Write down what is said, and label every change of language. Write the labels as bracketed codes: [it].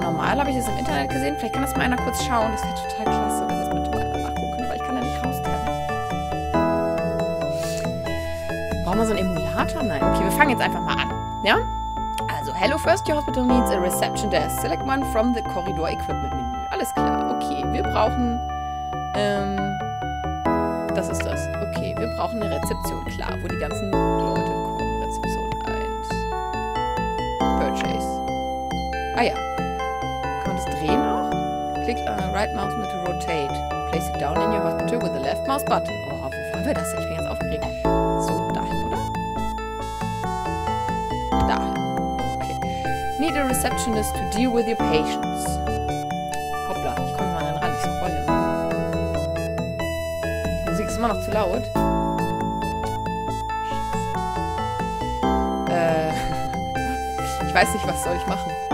[de] Habe ich das im Internet gesehen? Vielleicht kann das mal einer kurz schauen. Das wäre total klasse, wenn das mal einer nachgucken könnte, weil ich kann da nicht raustreten. Brauchen wir so einen Emulator? Nein. Okay, wir fangen jetzt einfach mal an. Ja? [en] Also, hello first, your hospital needs a reception desk. Select one from the corridor equipment menu. [de] Alles klar. Okay, wir brauchen. Das ist das. Okay, wir brauchen eine Rezeption. Klar, wo die ganzen Leute kommen. Rezeption 1. Purchase. Ah ja. Drehen auch? [en] Click on right mouse to rotate. Place it down in your hospital with the left mouse button. [de] Oh, wo waren wir das? Ich bin jetzt aufgeregt. So, dahin, oder? Dahin. Okay. [en] Need a receptionist to deal with your patients. [de] Hoppla, ich komme mal ran, ich scrolle. Die Musik ist immer noch zu laut. Ich weiß nicht, was soll ich machen?